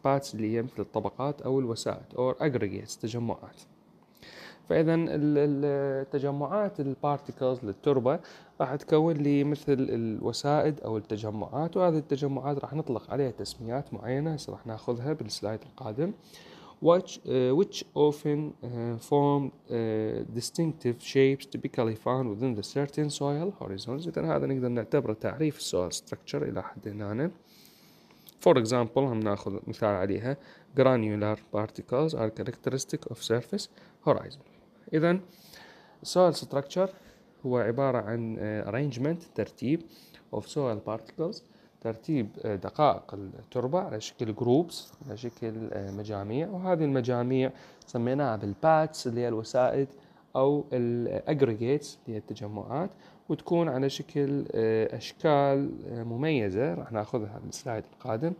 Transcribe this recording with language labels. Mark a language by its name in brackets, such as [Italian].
[Arabic] pads اللي هي مثل الطبقات أو الوسائط أو aggregates تجمعات. فإذا التجمعات البارتيكلز للتربة راح تكون لي مثل الوسائد أو التجمعات، وهذه التجمعات راح نطلق عليها تسميات معينة راح نأخذها بالسلايد القادم. [English] which often form distinctive shapes typically found within the certain soil horizons. [Arabic] إذا هذا نقدر نعتبره تعريف soil structure إلى حد هنا. [English] For example، [Arabic] هم نأخذ مثال عليها. [English] granular particles are characteristic of surface horizon. [Arabic] إذن soil structure هو عبارة عن arrangement، ترتيب of soil particles، ترتيب دقائق التربة على شكل groups، على شكل مجاميع، وهذه المجاميع سميناها بالpads اللي هي الوسائد أو aggregates اللي هي التجمعات، وتكون على شكل أشكال مميزة راح نأخذها في السلايد القادم.